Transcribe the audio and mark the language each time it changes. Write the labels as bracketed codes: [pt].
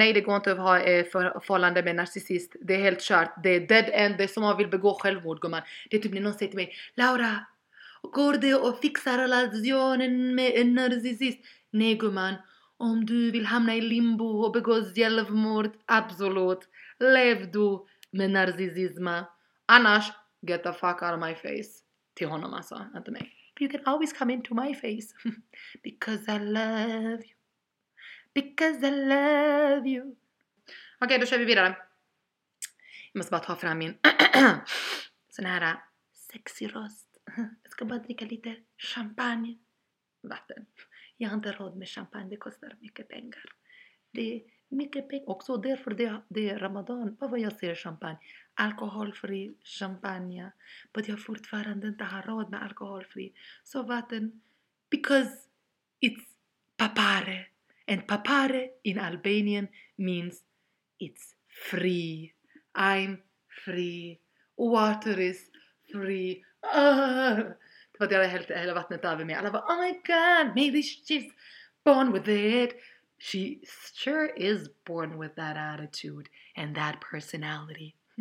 [sv] Nej, det går inte att ha förhållande med narcissist. Det är helt kört. Det är dead end. Det är som man vill begå självmord, gumman. Det är typ när någon säger till mig, Laura, går det att fixa relationen med en narcissist? Nej, gumman. Om du vill hamna i limbo och begå självmord, absolut. Lev du med narcissisma. Annars, [en] get the fuck out of my face. [sv] Till honom alltså, inte mig. [en] You can always come into my face. Because I love you. Because I love you. [sv] Okej, då kör vi vidare. Jag måste bara ta fram min sån här sexy röst. Jag ska bara dricka lite champagne. Vatten. Jag har inte råd med champagne. Det kostar mycket pengar. Det är mycket pengar. Också därför det är ramadan. Bara vad jag ser champagne. Alkoholfri champagne. But jag fortfarande inte har råd med alkoholfri. Så vatten. [en] Because it's papare. And papare in Albanian means it's free. I'm free. Water is free. [sv] Det var det hela, hela vattnet över mig. Alla bara, [en] oh my god, maybe she's born with it. She sure is born with that attitude and that personality.